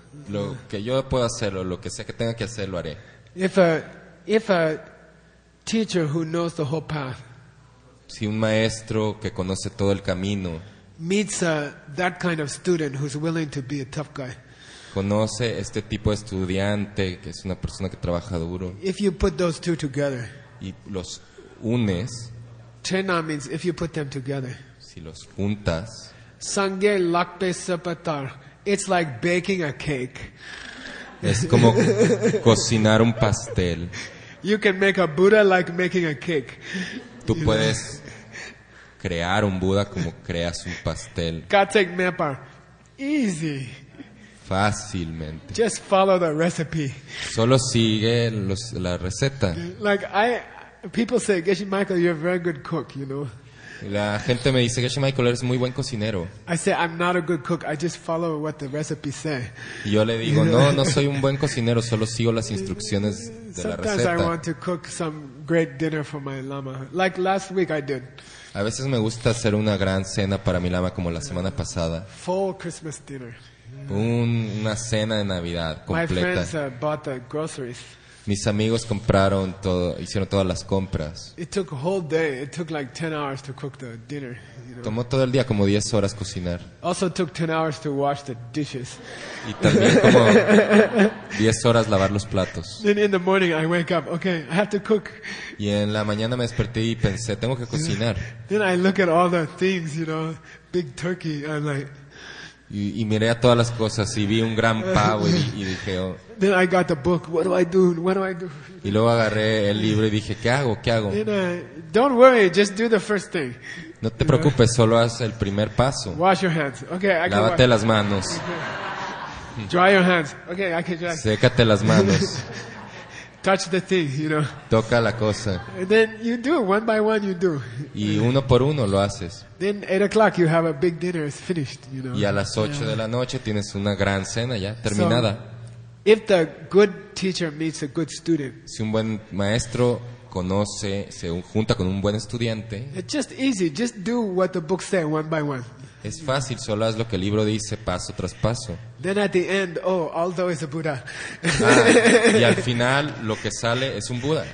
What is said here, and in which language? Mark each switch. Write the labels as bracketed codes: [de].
[es] Lo que yo pueda hacerlo, lo que sea que tenga que hacer, lo haré. [en] If a teacher who knows the whole path. [es] Si un maestro que conoce todo el camino. [en] Meets that kind of student who's willing to be a tough guy. [es] Conoce este tipo de estudiante que es una persona que trabaja duro. [en] If you put those two together. [es] Y los unes. [en] Tena means if you put them together. [es] Si los juntas. [bo] Sangye lakpe sapatar. [en] It's like baking a cake. [es] Es como cocinar un pastel. [en] You can make a Buddha like making a cake. [es] Tú puedes crear un Buda como creas un pastel. [bo] Katsek mepa. [en] Easy. [es] Fácilmente. [en] Just follow the recipe. [es] Solo sigue la receta. [en] Like people say, Geshe Michael, you're a very good cook, you know. [es] La gente me dice, Geshe Michael, eres muy buen cocinero. [en] I say, I'm not a good cook, I just follow what the recipe say. [es] Y yo le digo, no, no soy un buen cocinero, solo sigo las instrucciones de la receta. [en] Sometimes I want to cook some great dinner for my lama, like last week I did. [es] A veces me gusta hacer una gran cena para mi lama, como la semana pasada. [en] Full Christmas dinner. [es] Una cena de Navidad completa. [en] My friends bought the groceries. [es] Mis amigos compraron todo, hicieron todas las compras. [en] It took a whole day. It took like 10 hours to cook the dinner. [es] Tomó todo el día, como 10 horas cocinar. [en] Also took 10 hours to wash the dishes. [es] Y también como 10 horas lavar los platos. [en] Then in the morning I wake up. Okay, I have to cook. [es] Y en la mañana me desperté y pensé, tengo que cocinar. [en] Then I look at all the things, you know, big turkey. I'm like. [es] Y miré a todas las cosas y vi un gran pavo y dije, oh. [en] Then I got the book. What do I do? What do I do? [es] Y luego agarré el libro y dije, ¿qué hago? ¿Qué hago? [en] Then, don't worry, just do the first thing. [es] No te preocupes, solo haz el primer paso. [en] Wash your hands. Okay, [es] lávate las manos. [en] Dry your hands. Okay, I can dry. [es] Sécate las manos. [en] Touch the thing, you know. [es] Toca la cosa. [en] And then you do one by one. You do. [es] Y uno por uno lo haces. [en] Then 8 o'clock you have a big dinner. It's finished, you know. [es] Y a las 8 de la noche tienes una gran cena ya terminada. [en] So, if the good teacher meets a good student. [es] Si un buen maestro conoce, se junta con un buen estudiante. [en] It's just easy. Just do what the book says one by one. [es] Es fácil, solo haz lo que el libro dice paso tras paso. [en] Then at the end, oh, Aldo is a Buddha. [es] Y al final lo que sale es un Buda.